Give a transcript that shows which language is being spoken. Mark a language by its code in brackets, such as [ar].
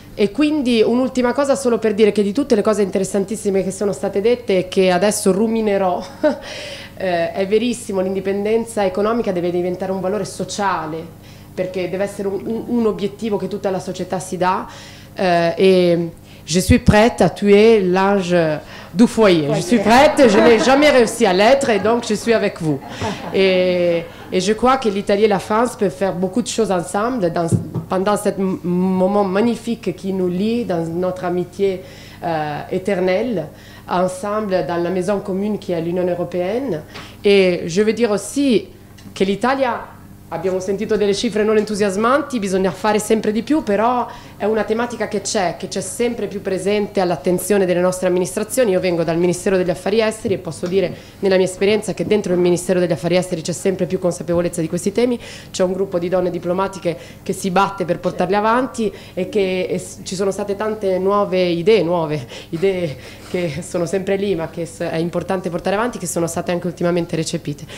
[it] E quindi un'ultima cosa solo per dire che di tutte le cose interessantissime che sono state dette e che adesso ruminerò, è verissimo, l'indipendenza economica deve diventare un valore sociale, perché deve essere un obiettivo che tutta la società si dà, e [fr] je suis prête à tuer l'ange du foyer, je suis prête, je n'ai jamais réussi à l'être et donc je suis avec vous. Et je crois que l'Italie et la France peuvent faire beaucoup de choses ensemble dans, pendant ce moment magnifique qui nous lie dans notre amitié éternelle, ensemble dans la maison commune qui est l'Union européenne. Et je veux dire aussi que [it] l'Italia, abbiamo sentito delle cifre non entusiasmanti, bisogna fare sempre di più, però è una tematica che c'è sempre più presente all'attenzione delle nostre amministrazioni. Io vengo dal Ministero degli Affari Esteri e posso dire nella mia esperienza che dentro il Ministero degli Affari Esteri c'è sempre più consapevolezza di questi temi, c'è un gruppo di donne diplomatiche che si batte per portarli avanti e che ci sono state tante nuove idee che sono sempre lì, ma che è importante portare avanti, che sono state anche ultimamente recepite.